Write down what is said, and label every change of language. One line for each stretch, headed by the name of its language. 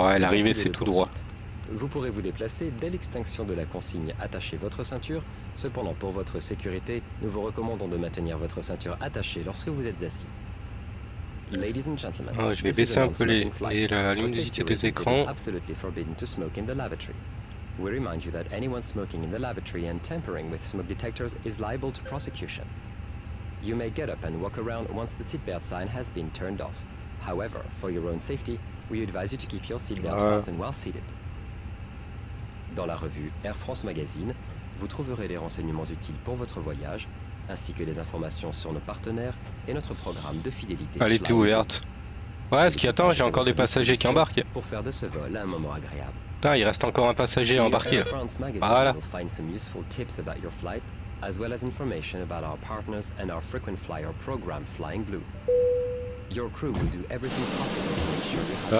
French: Ouais, l'arrivée c'est tout droit. Vous pourrez vous déplacer dès l'extinction de la consigne attachez votre ceinture. Cependant, pour votre sécurité, nous vous recommandons de maintenir votre ceinture attachée lorsque vous êtes assis.
English: Ladies and gentlemen,
French: oh, je vais baisser un peu la luminosité des écrans.
English: Absolutely forbidden to smoke in the lavatory. We remind you that anyone smoking in the lavatory and tampering with smoke detectors is liable to prosecution. You may get up and walk around once the seatbelt sign has been turned off. However, for your own safety, we advise you to keep your seatbelt fastened while seated.
French: Dans la revue Air France Magazine, vous trouverez les renseignements utiles pour votre voyage, ainsi que les informations sur nos partenaires et notre programme de fidélité. Elle était ouverte. Ouais, ce qui attend, j'ai encore des passagers qui embarquent. Pour faire de ce vol un moment agréable. Putain, il reste encore un passager à embarquer.
English: Air France Magazine will find some useful tips about your flight. As well as information about our partners and our frequent flyer program Flying Blue. Your crew will do everything possible to make sure you have.